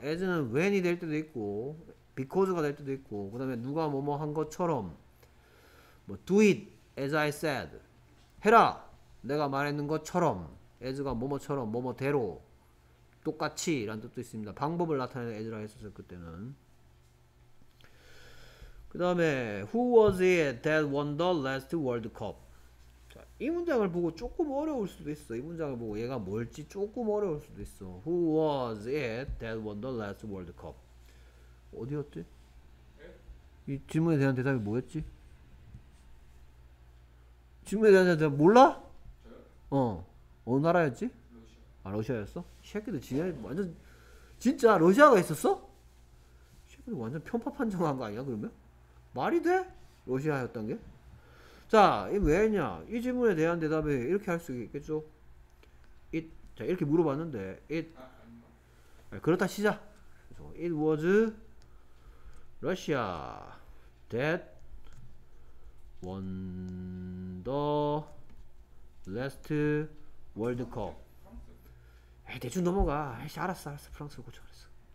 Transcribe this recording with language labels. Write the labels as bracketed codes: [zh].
[ko] As는 when이 될 때도 있고 Because가 될 때도 있고, 그 다음에 누가 뭐뭐 한 것처럼, 뭐, [en] do it, as I said. [ko] 해라! 내가 말했는 것처럼, as가 뭐뭐처럼, 뭐뭐대로, 똑같이, 라는 뜻도 있습니다. 방법을 나타내는 as라고 했었어요, 그때는. 그 다음에, [en] who was it that won the last World Cup? [ko] 자, 이 문장을 보고 조금 어려울 수도 있어. 이 문장을 보고 얘가 뭘지 조금 어려울 수도 있어. [en] Who was it that won the last World Cup? [ko] 어디였지? 이 질문에 대한 대답이 뭐였지? 질문에 대한 대답 몰라? 어. 어느 나라였지? 아, 러시아였어? 이 새끼들 지네 완전 진짜 러시아가 있었어? 새끼들 완전 편파 판정한 거 아니야, 그러면? 말이 돼? 러시아였던 게? 자, 이 왜냐? 이 질문에 대한 대답이 이렇게 할수 있겠죠? 자, 이렇게 물어봤는데 그렇다 치자. [en] It was Russia that won the last World Cup. [ko] 에이, 대충 넘어가. 에이, 알았어. 프랑스를 고쳐 그랬어.